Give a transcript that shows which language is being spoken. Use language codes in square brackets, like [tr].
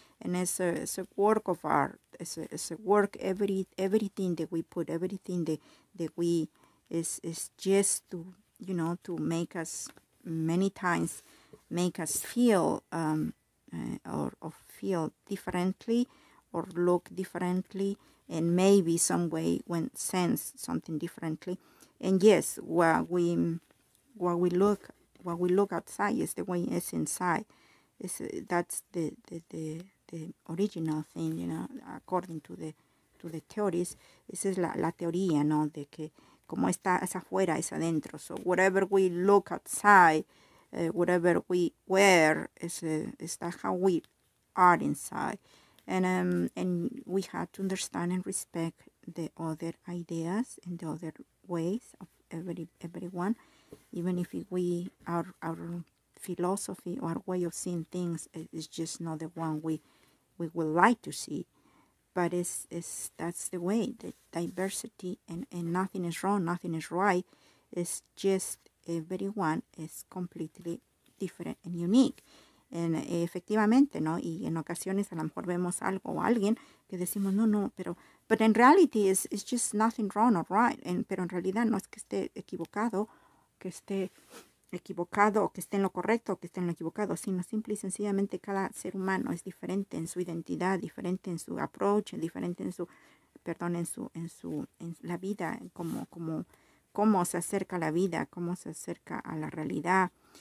[en] And it's a work of art, it's a work, everything that we put, everything that we is just to, you know, to make us, many times, make us feel or feel differently, or look differently, and maybe some way when sense something differently. And yes, what we look outside is the way it's inside. That's the original thing, you know, according to the theories. [es] Esa es la teoría, ¿no? De que como está es afuera, es adentro. [en] So whatever we look outside, whatever we wear, is that how we are inside. And we have to understand and respect the other ideas and the other ways of everyone. Even if we our philosophy or way of seeing things is just not the one we would like to see. But it's that's the way, the diversity, and nothing is wrong, nothing is right. It's just everyone is completely different and unique. [es] And efectivamente, ¿no? Y en ocasiones a lo mejor vemos algo o alguien que decimos, no, no, pero... [en] But in reality, it's just nothing wrong or right. [es] Pero en realidad no es que esté equivocado, que esté equivocado, que esté en lo correcto, que esté en lo equivocado, sino simple y sencillamente cada ser humano es diferente en su identidad, diferente en su approach, diferente en su, perdón, en la vida, cómo se acerca a la vida, cómo se acerca a la realidad.